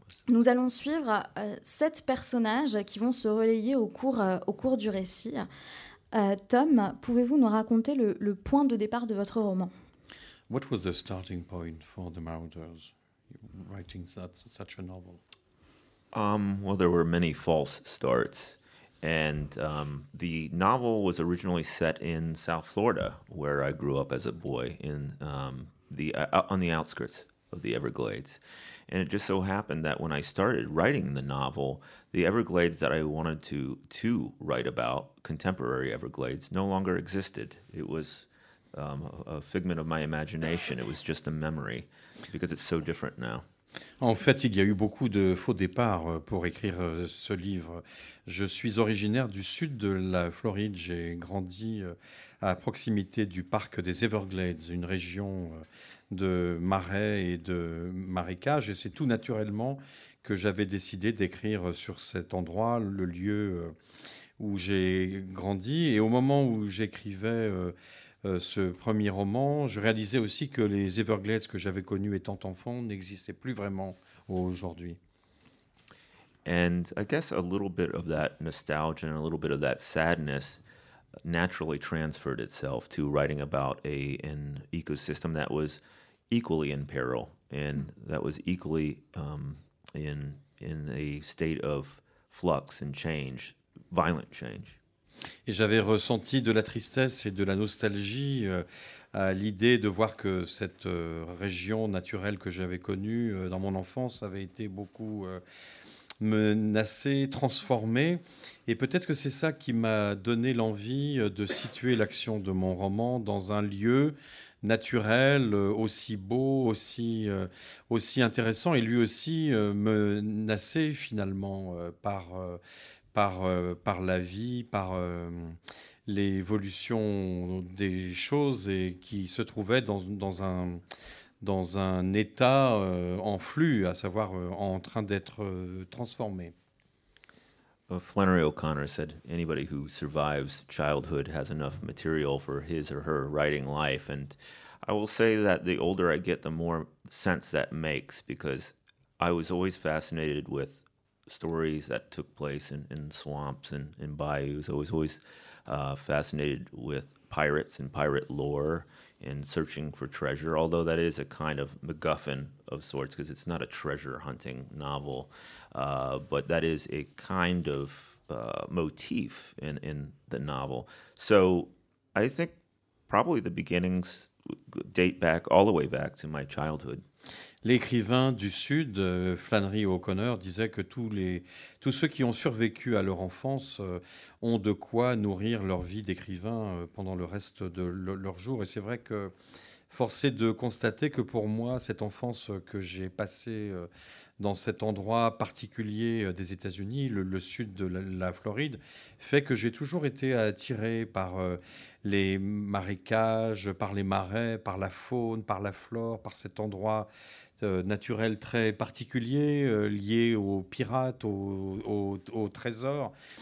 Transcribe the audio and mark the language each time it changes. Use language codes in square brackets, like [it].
[fr] Nous allons suivre 7 personnages qui vont se relayer au cours du récit. Tom, pouvez-vous nous raconter le point de départ de votre roman? [en] What was the starting point for the Marauders, writing such a novel? Well, there were many false starts, and the novel was originally set in South Florida, where I grew up as a boy, in on the outskirts of the Everglades. And it just so happened that when I started writing the novel, the Everglades that I wanted to write about, contemporary Everglades, no longer existed. It was a figment of my imagination. It was just a memory, because it's so different now. [fr] En fait, il y a eu beaucoup de faux départs pour écrire ce livre. Je suis originaire du sud de la Floride. J'ai grandi à proximité du parc des Everglades, une région de marais et de marécages. Et c'est tout naturellement que j'avais décidé d'écrire sur cet endroit, le lieu où j'ai grandi. Et au moment où j'écrivais ce premier roman, je réalisais aussi que les Everglades que j'avais connus étant enfant n'existaient plus vraiment aujourd'hui. [en] And I guess a little bit of that nostalgia and a little bit of that sadness naturally transferred itself to writing about an ecosystem that was equally in peril and that was equally in a state of flux and change, violent change. [fr] Et j'avais ressenti de la tristesse et de la nostalgie à l'idée de voir que cette région naturelle que j'avais connue dans mon enfance avait été beaucoup menacée, transformée. Et peut-être que c'est ça qui m'a donné l'envie de situer l'action de mon roman dans un lieu naturel, aussi beau, aussi intéressant et lui aussi menacé finalement par la vie, l'évolution des choses et qui se trouvait dans un état en flux, à savoir en train d'être transformé. [en] Flannery O'Connor said anybody who survives childhood has enough material for his or her writing life, and I will say that the older I get, the more sense that makes, because I was always fascinated with stories that took place in swamps and in bayous. I was always fascinated with pirates and pirate lore and searching for treasure, although that is a kind of MacGuffin of sorts, because it's not a treasure-hunting novel. But that is a kind of motif in the novel. So I think probably the beginnings date back all the way back to my childhood. [fr] L'écrivain du Sud, Flannery O'Connor, disait que tous ceux qui ont survécu à leur enfance ont de quoi nourrir leur vie d'écrivain pendant le reste de leur jour. Et c'est vrai que force est de constater que pour moi, cette enfance que j'ai passée dans cet endroit particulier des États-Unis, le sud de la Floride, fait que j'ai toujours été attiré par les marécages, par les marais, par la faune, par la flore, par cet endroit naturel très particulier, lié aux pirates, aux trésors.